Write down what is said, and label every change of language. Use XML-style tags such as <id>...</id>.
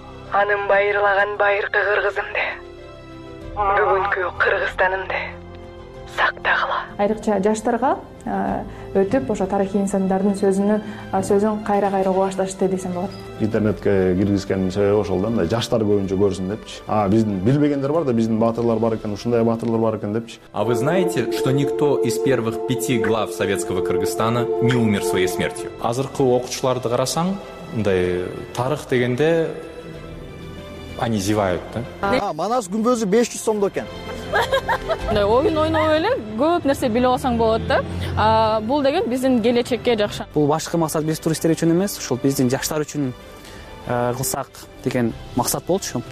<ky>Анын байырлаган байыркы кыргызымды, бүгүнкү Кыргызстанымды сактагыла. Айрыкча жаштарга өтүп, ошо тарыхый инсандардын сөзүн кайра-кайра угушташты десем болот. Интернетке киргизгенин себеби ошол да, мындай жаштар көбүнчө көрсүн депчи. А биздин билбегендер бар да, биздин баатырлар бар экен, ушундай баатырлар бар экен депчи.</ky> <ru>А вы знаете, что никто из первых пяти глав советского Кыргызстана не умер своей смертью?</ru> <ky>Азыркы окуучуларды карасаң, мындай тарых дегенде</ky> <ru>они зевают,</ru> <ky>да? А Манас күмбөзү 500 сомдо экен. Мындай оюн ойноп эле көп нерсе билип алсаң болот да. А бул деген биздин келечекке жакшы. Бул башкы максат биз туристтер үчүн эмес, ушул биздин жаштар үчүн кылсак деген максат болчу.</ky>